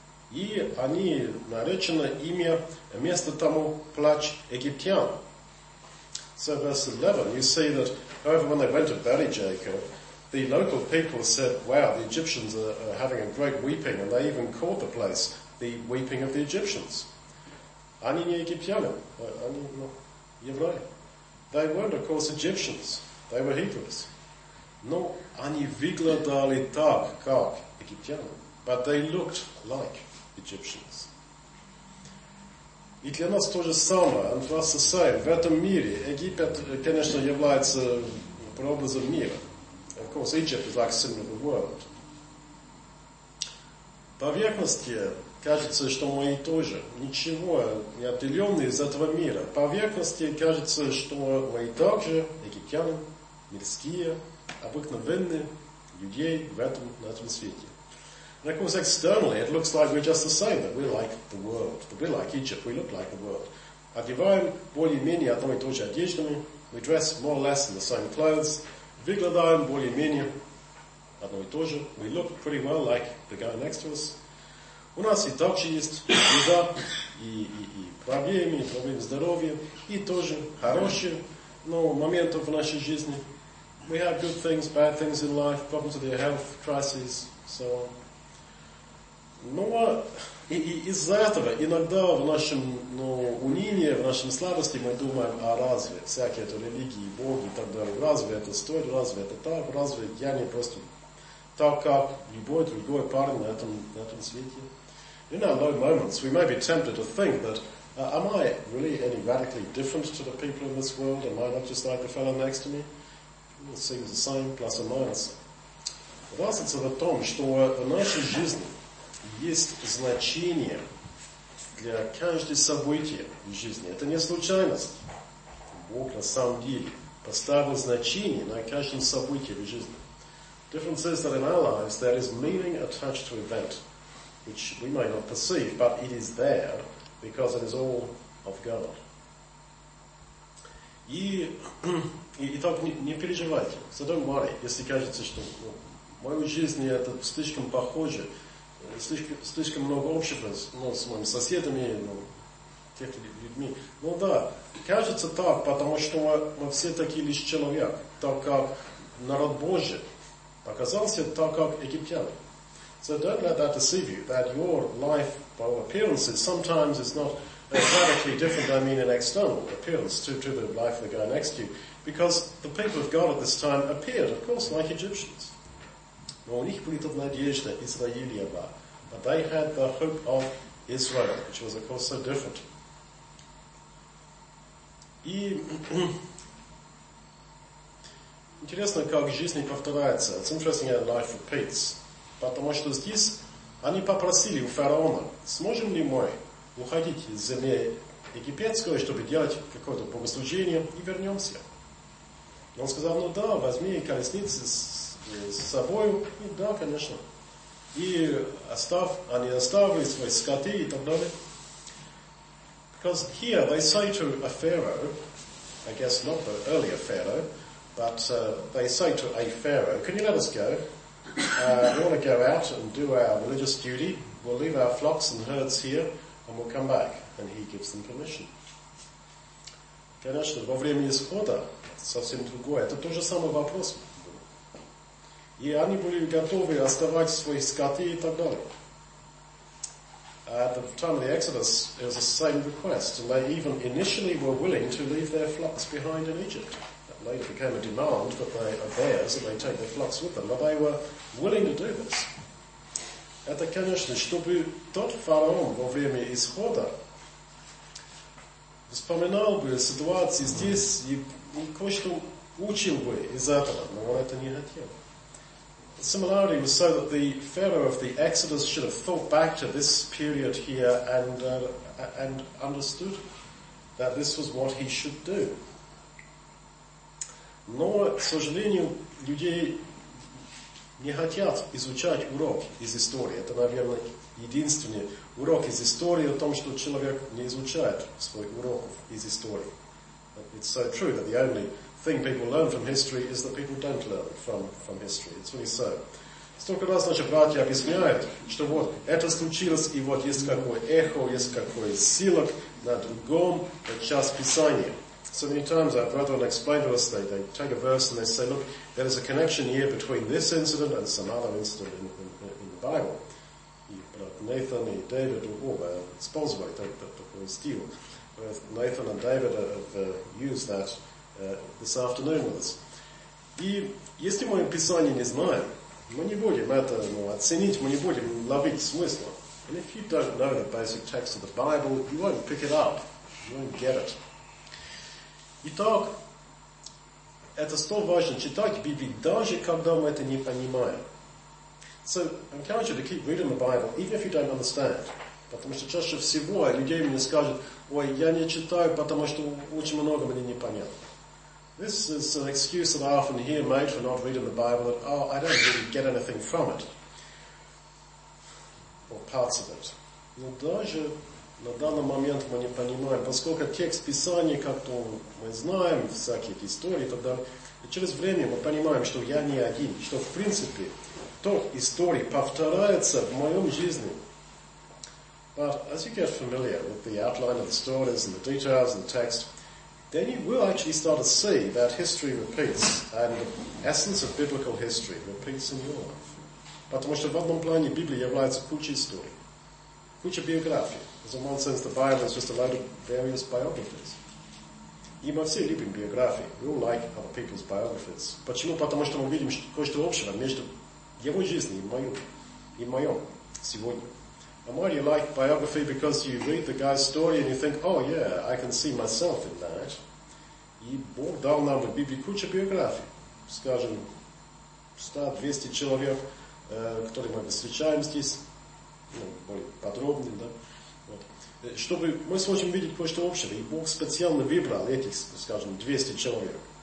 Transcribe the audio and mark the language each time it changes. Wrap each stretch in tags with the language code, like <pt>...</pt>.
<ru>И они наречено имя место тому плач египтян.</ru> <en>So verse 11, you see that however when they went to bury Jacob, the local people said, wow, the Egyptians are having a great weeping, and they even called the place the weeping of the Egyptians.</en> <ru>Они не египтяне, они евреи.</ru> <en>They weren't, of course, Egyptians. They were Hebrews.</en> <ru>Но они выглядали так, как египтяне.</ru> <en>But they looked like Egyptians.</en> <ru>И для нас то же самое,</ru> <en>and for us the same.</en> <ru>В этом мире Египет, конечно, является прообразом мира.</ru> <en>Of course, Egypt is like a symbol of the world.</en> <ru>Поверхности кажется, что мы тоже ничего не отделены из этого мира. По поверхности кажется, что мы также египтяне, мирские, обыкновенные людей на этом свете.</ru> <en>And of course, externally, it looks like we're just the same, that we're like the world, that we're like Egypt, we look like the world.</en> <ru>Одеваем более-менее одно и то же одеждами,</ru> <en>we dress more or less in the same clothes,</en> <ru>выглядаем более-менее одно и то же,</ru> <en>we look pretty well like the guy next to us.</en> <ru>У нас и также есть еда, и проблемы, и проблемы здоровья, и тоже хорошие, но моменты в нашей жизни.</ru> <en>We have good things, bad things in life, problems with your health, crises, so on.</en> <ru>Но из-за этого иногда в нашем унинии, в нашем слабости мы думаем, а разве всякие это религии, боги и так далее, разве это стоит, разве это так, разве я не просто так, как любой другой парень на этом свете.</ru> <en>In our low moments, we may be tempted to think that, am I really any radically different to the people in this world? Am I not just like the fellow next to me? It seems the same, plus or minus.</en> <ru>Разница в том, что в нашей жизни есть значение для каждого события в жизни. Это не случайность. Бог на самом деле поставил значение на каждое событие в жизни.</ru> <en>Difference is that in our lives there is meaning attached to event, which we may not perceive, but it is there because it is all of God.</en> <ru>Итак, не переживайте.</ru> <en>So don't worry,</en> <ru>если кажется, что в моей жизни это слишком похоже, слишком много общего с моими соседами, тех людьми. Ну да, кажется так, потому что мы все такие лишь человек, так как народ Божий оказался так, как египтяне.</ru> <en>So don't let that deceive you, that your life by appearances sometimes is not radically different, I mean an external appearance to the life of the guy next to you. Because the people of God at this time appeared, of course, like Egyptians.</en> <ru>Но у них была надежда Израилева.</ru> <en>But they had the hope of Israel, which was, of course, so different.</en> <ru>И интересно, как жизнь повторяется.</ru> <en>It's interesting how life repeats.</en> <ru>Потому что здесь они попросили у фараона, сможем ли мы уходить из земли египетской, чтобы делать какое-то богослужение, и вернемся. И он сказал, ну да, возьми колесницы с собой, и да, конечно. И они оставили свои скоты и так далее.</ru> <en>Because here they say to a pharaoh, I guess not the earlier pharaoh, but they say to a pharaoh, can you let us go? We want to go out and do our religious duty. We'll leave our flocks and herds here and we'll come back. And he gives them permission.</en> <ru>Конечно, во время исхода совсем другое. Это тот же самый вопрос. И они были готовы оставлять свои скоты и так далее.</ru> <en>At the time of the Exodus, it was the same request. And they even initially were willing to leave their flocks behind in Egypt. That later became a demand that they of theirs, that they take their flocks with them. But they were willing to do this.</en> <ru>Это, конечно, чтобы тот фараон во время исхода вспоминал бы ситуации здесь и кое-что учил бы из этого, но он это не хотел.</ru> <en>The similarity was so that the pharaoh of the Exodus should have thought back to this period here and understood that this was what he should do.</en> <ru>Но, к сожалению, люди не хотят изучать урок из истории. Это, наверное, единственный урок из истории о том, что человек не изучает своих уроков из истории.</ru> <en>It's so true that the only thing people learn from history is that people don't learn from history. It's really so.</en> <ru>Столько раз наши братья объясняют, что вот это случилось, и вот есть какое эхо, есть какой ссылок на другом час Писания.</ru> <en>So many times our brother will explain to us, they take a verse and they say, look, there is a connection here between this incident and some other incident in the Bible.</en> <ru>И брат Нейтан и Дэвид,</ru> <en>Both Nathan and David have used that this afternoon with us.</en> <ru>И если мы Писание не знаем, мы не будем это оценить, мы не будем ловить смысла.</ru> <en>And if you don't know the basic text of the Bible, you won't pick it up. You won't get it.</en> <ru>Итак, это столь важно читать Библию, даже когда мы это не понимаем.</ru> <en>So, I encourage you to keep reading the Bible, even if you don't understand.</en> <ru>Потому что чаще всего людей мне скажут, ой, я не читаю, потому что очень много мне непонятно.</ru> <en>This is an excuse that I often hear made for not reading the Bible, that, oh, I don't really get anything from it. Or parts of it.</en> <ru>Но даже на данный момент мы не понимаем, поскольку текст Писания, как-то мы знаем, всякие истории и так далее, и через время мы понимаем, что я не один, что в принципе ток истории повторяется в моем жизни.</ru> <en>But as you get familiar with the outline of the stories and the details and the text, then you will actually start to see that history repeats and the essence of biblical history repeats in your life.</en> <ru>Потому что в одном плане Библия является кучей историй, кучей биографий.</ru> <en>As in one sense, the Bible is just a load of various biographies.</en> <ru>И мы все любим биографии.</ru> <en>We all like other people's biographies.</en> <ru>Почему? Потому что мы видим кое-что общего между его жизнью и моим сегодня.</ru> <en>And why do you like biography? Because you read the guy's story and you think, oh yeah, I can see myself in that.</en> <ru>И Бог дал нам в Библии кучу биографий. Скажем, 100-200 человек, которые мы встречаем здесь, более подробно, да? Вот. Чтобы мы сможем видеть кое-что общее. И Бог специально выбрал этих, скажем, 200 человек.</ru>